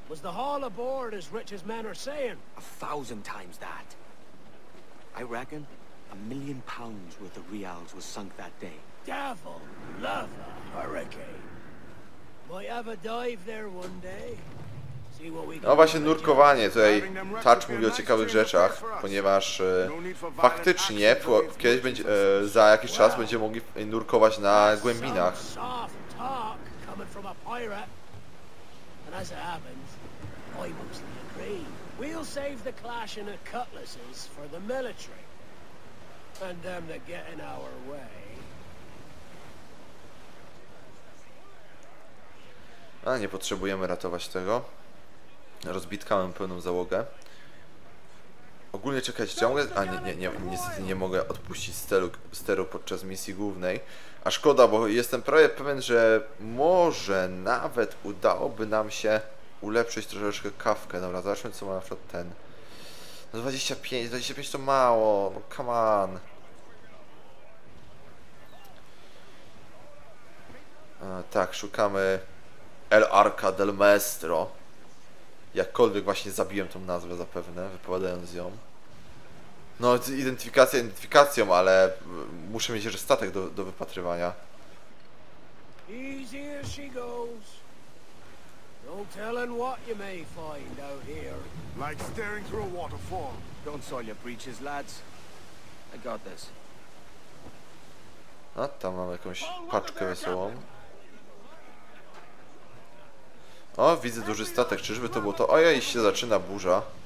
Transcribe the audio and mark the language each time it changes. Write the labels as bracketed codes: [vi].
[en] Was the haul aboard as rich as men are saying? A thousand times that. I reckon £1,000,000 worth of reals was sunk that day. Devil love a hurricane. Might have a dive there one day. See what we can. [pl] No właśnie, nurkowanie. Tutaj Touch mówi o ciekawych rzeczach, ponieważ faktycznie kiedyś będzie, za jakiś czas będziemy mogli nurkować na głębinach. Soft talk coming from a pirate. And as it happens, I mostly agree. We'll save the clashing of cutlasses for the military. And them that get in our way. A nie potrzebujemy ratować tego. Rozbitka, mam pełną załogę. Ogólnie czekać, ciągle. A nie, niestety nie mogę odpuścić steru podczas misji głównej. A szkoda, bo jestem prawie pewien, że może nawet udałoby nam się ulepszyć troszeczkę kawkę. Dobra, zobaczmy, co ma na przykład ten. No 25 to mało. No [en] come on. [pl] Tak, szukamy El Arca del Maestro. Jakkolwiek właśnie zabiłem tą nazwę zapewne, wypowiadając ją. No, identyfikacją, ale muszę mieć jeszcze statek do wypatrywania. [en] Easy as she goes. No telling what you may find out here. Like staring through a waterfall. Don't soil your breeches, lads. I got this. [pl] A tam mam jakąś paczkę wesołą. O, widzę duży statek. Czyżby to było to? Ojej, się zaczyna burza.